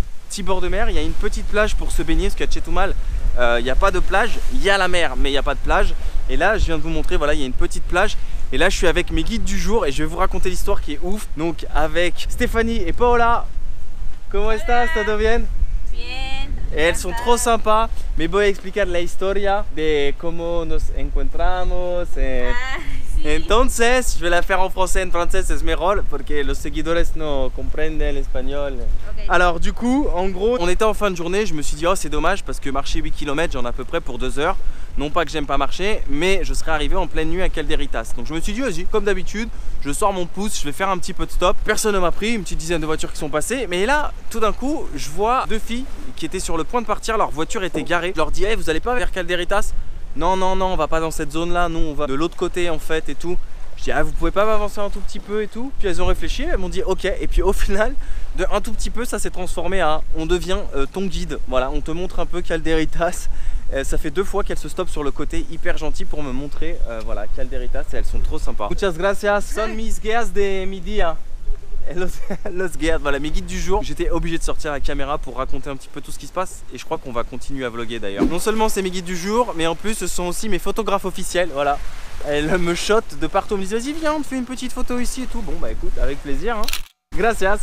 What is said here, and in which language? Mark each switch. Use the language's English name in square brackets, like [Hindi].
[French] Petit bord de mer, il y a une petite plage pour se baigner, parce qu'à Chetumal il n'y a pas de plage, il y a la mer mais il n'y a pas de plage, et là je viens de vous montrer, voilà, il y a une petite plage. Et là, je suis avec mes guides du jour et je vais vous raconter l'histoire qui est ouf. Donc, avec Stéphanie et Paola. Comment [Spanish] estás? ¿Está todo bien? Bien. [French] Et elles sont trop sympas. [Spanish] Me voy a explicar la historia de cómo nos encontramos. Entonces, [French] je vais la faire en français, en français, c'est mes rôles, [Spanish] porque los seguidores no comprenden [French] l'espagnol. Okay. Alors du coup, en gros, on était en fin de journée, je me suis dit, oh c'est dommage, parce que marcher 8 km, j'en ai à peu près pour 2 heures. Non pas que j'aime pas marcher, mais je serais arrivé en pleine nuit à Calderitas. Donc je me suis dit, vas-y, comme d'habitude, je sors mon pouce, je vais faire un petit peu de stop. Personne ne m'a pris, une petite dizaine de voitures qui sont passées. Mais là, tout d'un coup, je vois deux filles qui étaient sur le point de partir, leur voiture était garée. Je leur dis, hey, vous allez pas vers Calderitas? Non, non, non, on va pas dans cette zone là, nous on va de l'autre côté en fait et tout. Je dis, ah vous pouvez pas m'avancer un tout petit peu et tout. Puis elles ont réfléchi, elles m'ont dit ok. Et puis au final, de un tout petit peu, ça s'est transformé à on devient ton guide. Voilà, on te montre un peu Calderitas. Ça fait deux fois qu'elles se stoppent sur le côté, hyper gentil pour me montrer voilà, Calderitas, et elles sont trop sympas. [Spanish] Muchas gracias, son mis guías de mi día. [French] Los guides, voilà mes guides du jour. J'étais obligé de sortir la caméra pour raconter un petit peu tout ce qui se passe, et je crois qu'on va continuer à vlogger d'ailleurs. Non seulement c'est mes guides du jour, mais en plus ce sont aussi mes photographes officiels. Voilà, elles me shotent de partout, me disent vas-y viens, on te fait une petite photo ici et tout. Bon bah écoute, avec plaisir hein. Gracias.